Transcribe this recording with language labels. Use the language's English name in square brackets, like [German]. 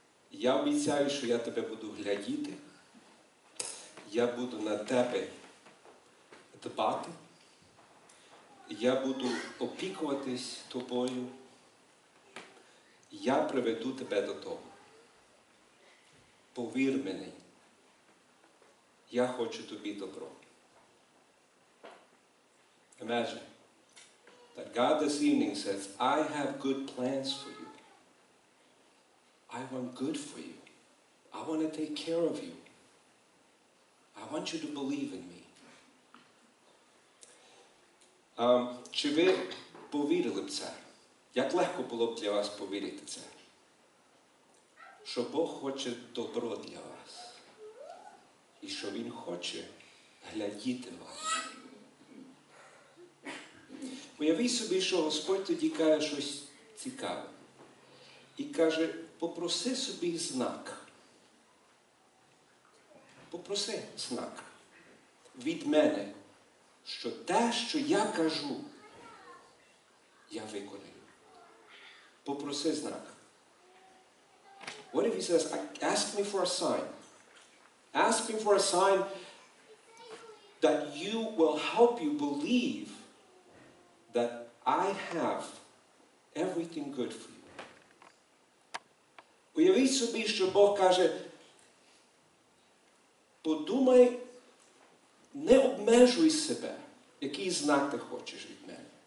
[Ukrainian] Я обіцяю, що я тебе буду глядіти, я буду на тебе дбати, я буду опікуватись тобою, я приведу тебе до того. Повір мені, я хочу тобі добро. [English] Imagine that God this evening says, I have good plans for you. I want good for you. I want to take care of you. I want you to believe in me. [Ukrainian] Чи ви повірили б це? Як легко було б для вас повірити це? Що Бог хоче добро для вас. І що Він хоче глядіти вас. Уявіть собі, що Господь тоді каже щось цікаве. І каже, попроси собі знак. Попроси знак від мене, що те, що я кажу, я виконую. Попроси знак. [English] What if he says, ask me for a sign. Ask me for a sign that you will help you believe that I have everything good for you. [Ukrainian] Уявіть собі, що Бог каже, подумай, не обмежуй себе, який знак ти хочеш від мене.